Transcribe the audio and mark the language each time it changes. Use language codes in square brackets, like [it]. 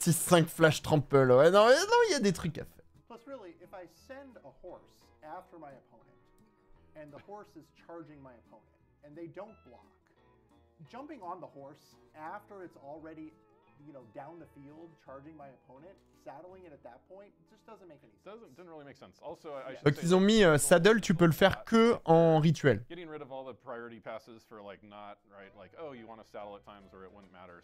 [fr] 6-5 flash trample. Ouais, non, il y a des trucs à faire. [en] Plus, really, if I send a horse after my opponent, and the horse is charging my opponent, and they don't block, jumping on the horse after it's already, you know, down the field, charging my opponent, saddling it at that point, it just doesn't make any sense. Doesn't really make sense. Also, [fr] qu'ils ont mis saddle, tu peux le faire que en rituel. [en] Getting rid of all the priority passes for like not right, like oh, you want to saddle at times where it wouldn't matter.